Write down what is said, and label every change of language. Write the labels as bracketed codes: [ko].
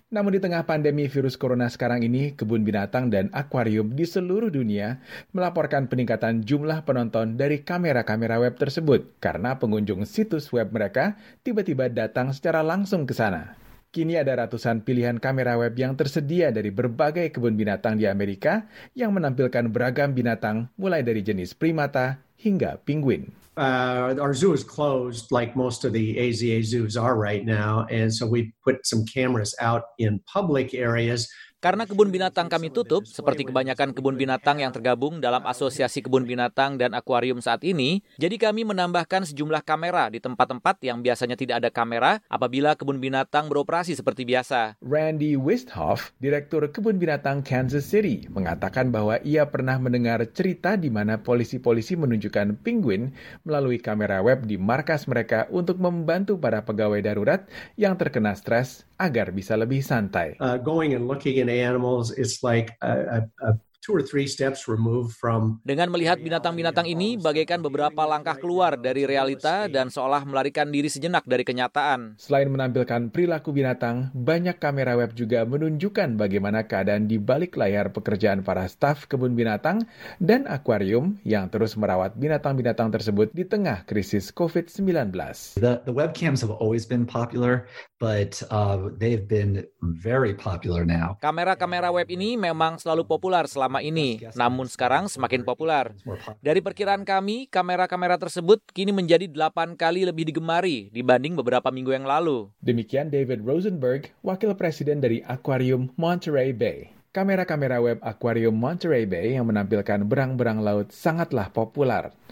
[id] Namun di tengah pandemi virus corona sekarang ini, kebun binatang dan akuarium di seluruh dunia melaporkan peningkatan jumlah penonton dari kamera-kamera web tersebut karena pengunjung situs web mereka tiba-tiba datang secara langsung ke sana. Kini ada ratusan pilihan kamera web yang tersedia dari berbagai kebun binatang di Amerika yang menampilkan beragam binatang mulai dari jenis primata hingga penguin. [en] Our zoo is closed like most of the AZA zoos are right now, and so we put some cameras out in public areas. [id] Karena kebun binatang kami tutup, seperti kebanyakan kebun binatang yang tergabung dalam Asosiasi Kebun Binatang dan Akuarium saat ini, jadi kami menambahkan sejumlah kamera di tempat-tempat yang biasanya tidak ada kamera apabila kebun binatang beroperasi seperti biasa. Randy Wisthoff, Direktur Kebun Binatang Kansas City, mengatakan bahwa ia pernah mendengar cerita di mana polisi-polisi menunjukkan penguin melalui kamera web di markas mereka untuk membantu para pegawai darurat yang terkena stres agar bisa lebih santai. [en] Going and looking at animals, it's like a two or three steps removed from. [id] Dengan melihat binatang-binatang ini bagaikan beberapa langkah keluar dari realita dan seolah melarikan diri sejenak dari kenyataan. Selain menampilkan perilaku binatang, banyak kamera web juga menunjukkan bagaimana keadaan di balik layar pekerjaan para staf kebun binatang dan akuarium yang terus merawat binatang-binatang tersebut di tengah krisis COVID-19. [en] The webcams have always been popular, but they've been very popular now. [id] Kamera-kamera web ini memang selalu populer selama ini, namun sekarang semakin populer. Dari perkiraan kami, kamera-kamera tersebut kini menjadi 8 kali lebih digemari dibanding beberapa minggu yang lalu. Demikian David Rosenberg, Wakil Presiden dari Aquarium Monterey Bay. Kamera-kamera web Aquarium Monterey Bay yang menampilkan berang-berang laut sangatlah populer.